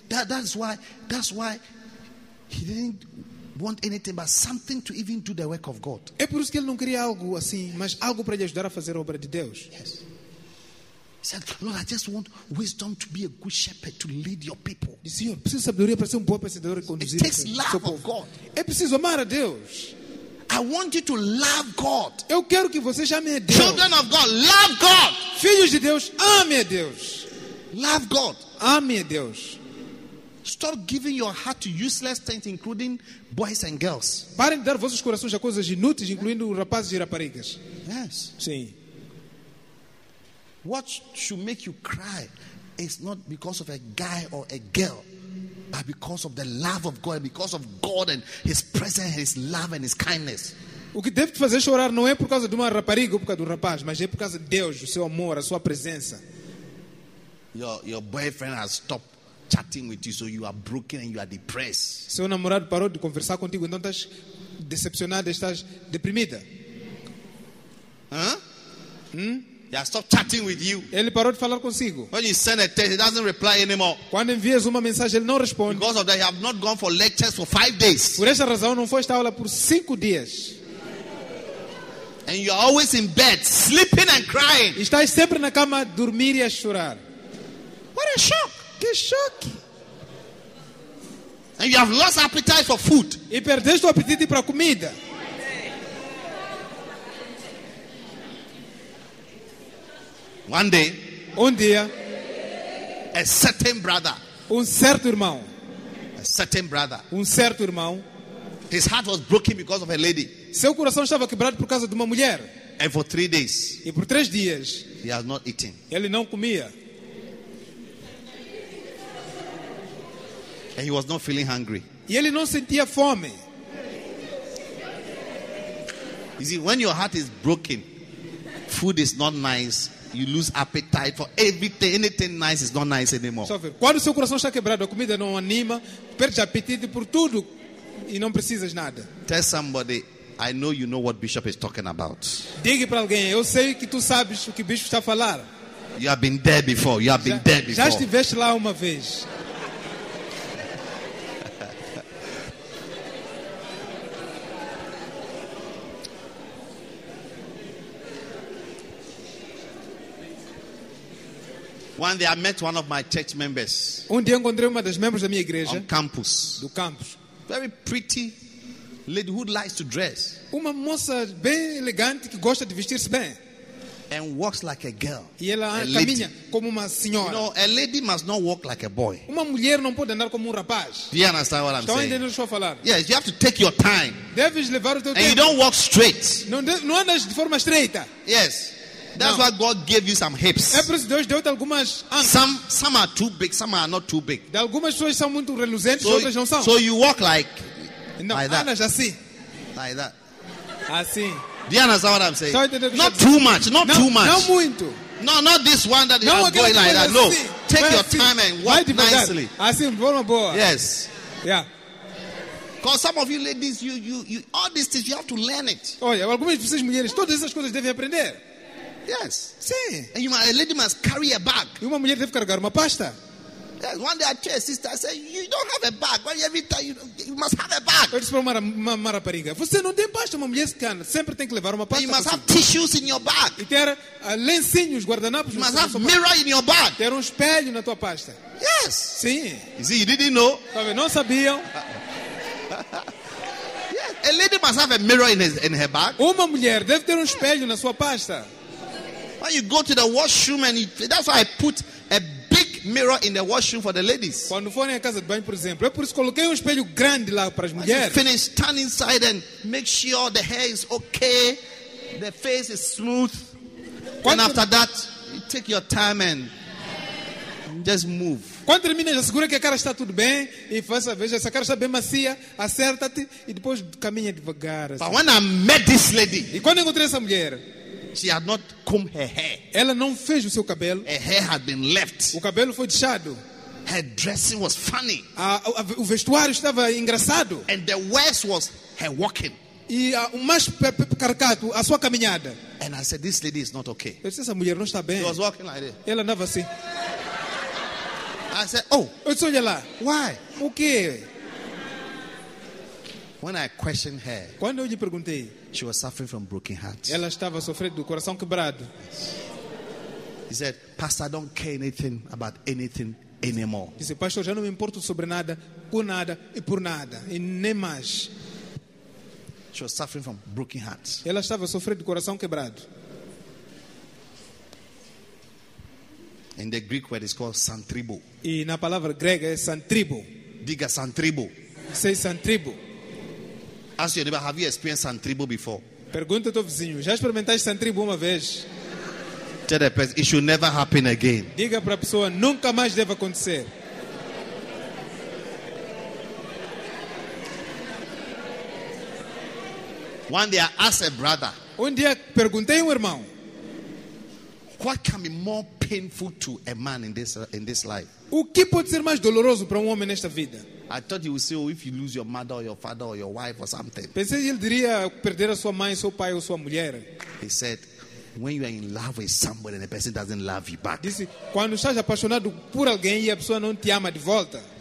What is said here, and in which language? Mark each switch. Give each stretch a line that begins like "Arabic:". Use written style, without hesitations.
English: That's why he didn't want anything but something to even do the work of God.
Portuguese: É por isso que ele não queria algo assim, mas algo para lhe ajudar a fazer a obra de Deus.
English: Yes. said, Lord, I just want wisdom to be a good shepherd to lead your people.
Portuguese: Disse, Senhor, preciso sabedoria para ser bom pastor e conduzir.
English: It takes love of God.
Portuguese: É preciso amar a Deus.
English: I want you to love God.
Portuguese: Eu quero que você ame a Deus.
English: Children of God, love God.
Portuguese: Filhos de Deus, ame a Deus.
English: Love God.
Portuguese: Ame a Deus.
English: Stop giving your heart to useless things, including boys and girls.
Portuguese: Parem de dar vossos corações a coisas inúteis, incluindo rapazes e raparigas.
English: Yes.
Portuguese: Sim.
English: What should make you cry is not because of a guy or a girl, but because of the love of God, because of God and His presence, His love and His kindness.
Portuguese: O que deve te fazer chorar não é por causa de uma rapariga ou por causa de um rapaz, mas é por causa de Deus, o seu amor, a sua presença.
English: Your boyfriend has stopped chatting with you, so you are broken and you are depressed.
Portuguese: Seu namorado parou de conversar contigo, então estás decepcionada, estás deprimida.
English: He has stopped chatting with you.
Portuguese: Ele parou de falar consigo.
English: When you send a text, he doesn't reply anymore.
Portuguese: Quando envias uma mensagem, ele não responde.
English: Because of that, he have not gone for lectures for 5 days.
Portuguese: Por essa razão, não foi esta aula por 5 dias.
English: And you are always in bed, sleeping and crying.
Portuguese: Estás sempre na cama, dormir e a chorar.
English: What a shock!
Portuguese: Que choque!
English: And you have lost appetite for food.
Portuguese: E perdeste o apetite para comida.
English: One day,
Portuguese: dia,
English: a certain brother,
Portuguese: certo irmão,
English: a certain brother,
Portuguese: certo irmão,
English: his heart was broken because of a lady.
Portuguese: Seu coração estava quebrado por causa de uma mulher.
English: And for 3 days,
Portuguese: e por 3 dias,
English: he has not eaten.
Portuguese: Ele não comia.
English: And he was not feeling hungry.
Portuguese: E ele não sentia fome.
English: You see, when your heart is broken, food is not nice. You lose appetite for everything. Anything nice is not nice anymore.
Portuguese: Quando o seu coração está quebrado, a comida não anima, perde apetite por tudo e não precisas nada.
English: Tell somebody, I know you know what Bishop is talking about.
Portuguese: Diga para alguém, eu sei que tu sabes o que o Bishop está a falar.
English: You have been there before. You have been there before.
Portuguese: Já estiveste lá uma vez.
English: One day I met one of my church members.
Portuguese: Dia encontrei uma das membros da minha igreja.
English: On campus.
Portuguese: Do campus.
English: Very pretty lady who likes to dress.
Portuguese: Uma moça bem elegante que gosta de vestir-se bem.
English: And walks like a girl.
Portuguese: E ela caminha como uma senhora.
English: You know, a lady must not walk like a boy.
Portuguese: Uma mulher não pode andar como rapaz.
English: Do you understand what I'm saying?
Portuguese: Estão entendendo o que estou a falar?
English: Yes, you have to take your time.
Portuguese: Deves levar o teu
English: and
Portuguese: tempo.
English: You don't walk straight.
Portuguese: Não andas de forma estreita.
English: Yes. That's why God gave you some hips.
Portuguese: É por isso Deus deu-te algumas ancas.
English: Some are too big, some are not too big.
Portuguese: De algumas pessoas são muito reluzentes, outras não são.
English: So you walk like
Portuguese: andas assim.
English: Like that.
Portuguese: Assim.
English: Do you understand what I'm saying? Not too much, not
Portuguese: não,
English: too much.
Portuguese: Não muito.
English: No, not this one that you are going like that.
Portuguese: No, assim.
English: Take your time and walk nicely.
Portuguese: Assim, forma boa.
English: Yes. Yeah. Because some of you ladies, you all these things, you have to learn it.
Portuguese: Olha, algumas pessoas mulheres, todas essas coisas devem aprender.
English: Yes.
Portuguese: Sim.
English: And a lady must carry a bag.
Portuguese: E uma mulher deve carregar uma pasta.
English: Yes. One day I told a sister, I said, you don't have a bag. Why every time you must have a bag.
Portuguese: Eu disse para uma rapariga, você não tem pasta, uma mulher que sempre tem que levar uma pasta.
English: And you must have tissues in your bag.
Portuguese: E ter lencinhos, guardanapos.
English: You must have mirror in your bag.
Portuguese: Ter espelho na tua pasta.
English: Yes.
Portuguese: Sim.
English: You see, you didn't know.
Portuguese: Sabe, não sabiam.
English: Yes. A lady must have a mirror in her bag.
Portuguese: Uma mulher deve ter espelho na sua pasta.
English: When you go to the washroom and that's why I put a big mirror in the washroom for the ladies.
Portuguese: Quando for em casa de banho, por exemplo, eu por isso coloquei espelho grande lá para as mulheres.
English: Finish, stand inside and make sure the hair is okay, the face is smooth.
Portuguese: Quando
English: and after that, you take your time and just move.
Portuguese: Quando terminas, assegura que a cara está tudo bem e faça, veja, essa cara está bem macia, acerta-te e depois caminha devagar. Assim.
English: But when I met this lady,
Portuguese: e quando encontrei essa mulher,
English: she had not combed her hair.
Portuguese: Ela não fez o seu cabelo.
English: Her hair had been left.
Portuguese: O cabelo foi deixado.
English: Her dressing was funny.
Portuguese: O vestuário estava engraçado.
English: And the worst was her walking.
Portuguese: E o mais caricato, a sua caminhada.
English: And I said, this lady is not okay.
Portuguese: Eu disse, essa mulher não está bem.
English: She was walking like this.
Portuguese: Ela andava assim.
English: I said, oh.
Portuguese: Eu disse, olha lá.
English: Why?
Portuguese: O quê?
English: When I questioned her,
Portuguese: quando eu lhe perguntei,
English: she was suffering from broken heart.
Portuguese: Ela estava sofrendo do coração quebrado.
English: He said, "Pastor, I don't care anything about anything anymore."
Portuguese: Ele disse, pastor, já não me importo sobre nada, com nada e por nada, e nem mais.
English: She was suffering from broken hearts.
Portuguese: Ela estava sofrendo de coração quebrado.
English: In the Greek word is called santribo.
Portuguese: E na palavra grega é santribo. Diga santribo.
English: Say santribo. Ask your neighbor, have you experienced santribo before?
Portuguese: Pergunta ao teu vizinho, já experimentaste santribo uma vez?
English: Tell the person, it should never happen again.
Portuguese: Diga para a pessoa, nunca mais deve acontecer.
English: One day I asked a brother.
Portuguese: Um dia perguntei um irmão.
English: What can be more painful to a man in this life?
Portuguese: O que pode ser mais doloroso para um homem nesta vida?
English: I thought he would say, oh, if you lose your mother or your father or your wife or something.
Portuguese: Pensei que ele diria perder a sua mãe, seu pai ou sua mulher.
English: He said, when you are in love with somebody and the person doesn't love you back.
Portuguese: Disse, quando estás apaixonado por alguém e a pessoa não te ama de volta.